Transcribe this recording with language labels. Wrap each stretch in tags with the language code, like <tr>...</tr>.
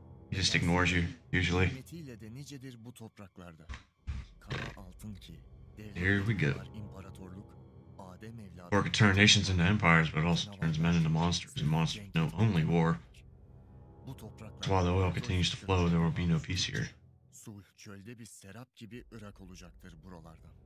<en>He just ignores you, usually.</en> <tr>Nicedir bu topraklarda. Kara altın ki.</tr> <en>Here we go.</en> <tr>İmparatorluk Adem evladı.</tr> <en>War can turn nations into empires, but also turns men into monsters, and monsters know only war.</en> <tr>Bu topraklarda.</tr> <en>While the oil continues to flow, there will be no peace here.</en> <tr>Su çölde bir serap gibi ırak olacaktır buralarda.</tr>